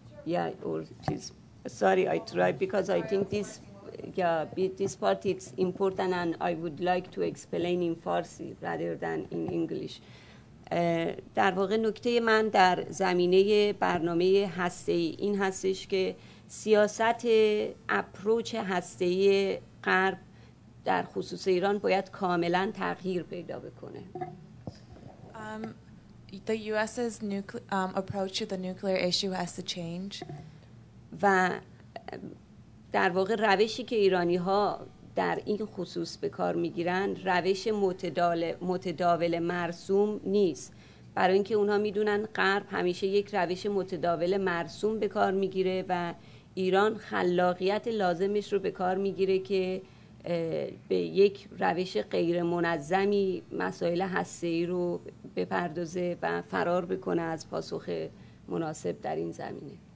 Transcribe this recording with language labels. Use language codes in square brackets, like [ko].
[en] Yeah, or she's, sorry, I tried because I think this, this part is important and I would like to explain in Farsi rather than in English. [fa] در واقع نکته من در زمینه برنامه هسته‌ای این هستش که سیاست اپروچ هسته‌ای غرب در خصوص ایران باید کاملا تغییر پیدا بکنه. [en] The US's approach to the nuclear issue has to change. [fa] و در واقع روشی که ایرانی ها در این خصوص به کار میگیرن روش متداول مرسوم نیست برای اینکه اونها میدونن غرب همیشه یک روش متداول مرسوم به کار میگیره و ایران خلاقیت لازمش رو به کار میگیره که به یک روش غیر منظمی مسائل هسته‌ای رو بپردازه و فرار بکنه از پاسخ مناسب در این زمینه.